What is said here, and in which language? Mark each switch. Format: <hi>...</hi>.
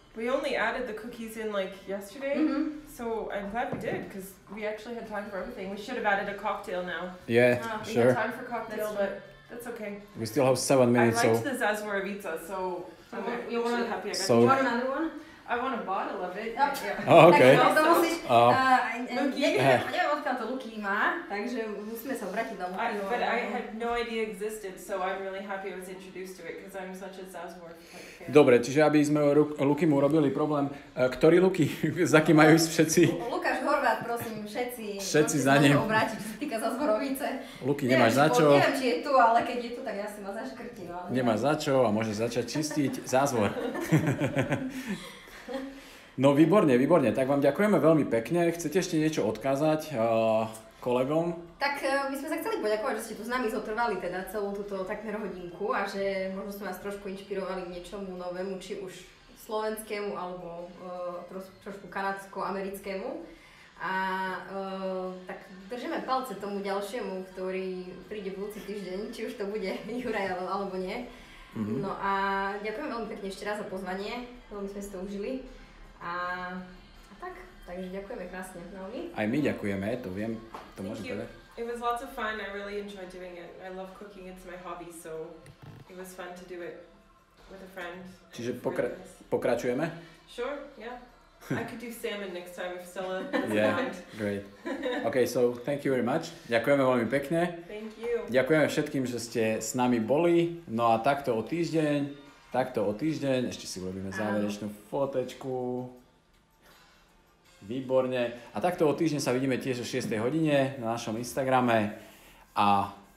<en>We only added the cookies in like yesterday, so I'm glad we did, because we actually had time for everything. We should have added a cocktail now. Yeah, sure. We had time for cocktail, but that's okay. We still have 7 minutes, so... I liked the Zazwaravica, so I'm really happy I got it. So, you want another one? I want a bottle of it. Oh, okay.</en> <sk>Neviem, odkiaľ to Luki má, takže musíme sa obrátiť na Luki.</sk> <en>But I had no idea existed, so I'm really happy I was introduced to it, because I'm such a Zazwar fan.</en> <sk>Dobre, čiže aby sme Luki mu urobili problém. Ktorý Luki? Za kým majú ísť všetci? Lukáš Horváth, prosím, všetci. Všetci za ním. Musíme sa obrátiť, čo sa týka Zazwarovice. Luki, nemáš za čo. Neviem, či je tu, ale keď je tu, tak ja si ma zaškrtím. Nemáš za čo a môžeš začať čistiť Zazwar. No výborne, výborne. Tak vám ďakujeme veľmi pekne. Chcete ešte niečo odkázať kolegom? Tak my sme sa chceli poďakovať, že ste tu s nami zotrvali teda celú túto takmer hodinku a že možno sme vás trošku inšpirovali k niečomu novému, či už slovenskému alebo trošku kanadsko-americkému. A tak držíme palce tomu ďalšiemu, ktorý príde v budúci týždeň, či už to bude Juraj alebo nie. Mm-hmm. No a ďakujem veľmi pekne ešte raz za pozvanie, veľmi sme si to užili. Takže ďakujeme krásne, Naomi. Aj my ďakujeme, to viem, to môžem povedať.</sk> <en>It was lots of fun, I really enjoyed doing it. I love cooking, it's my hobby, so it was fun to do it with a friend.</en> <sk>Čiže pokračujeme?</sk> <en>Sure, yeah. I could do salmon next time if Stella is around. Yeah, great. Okay, so thank you very much.</en> <sk>Ďakujeme veľmi pekne.</sk> <en>Thank you.</en> <sk>Ďakujeme všetkým, že ste s nami boli. No a takto o týždeň. Ešte si urobíme záverečnú fotečku. Výborne. A takto o týždeň sa vidíme tiež o 6. hodine na našom Instagrame. A</sk>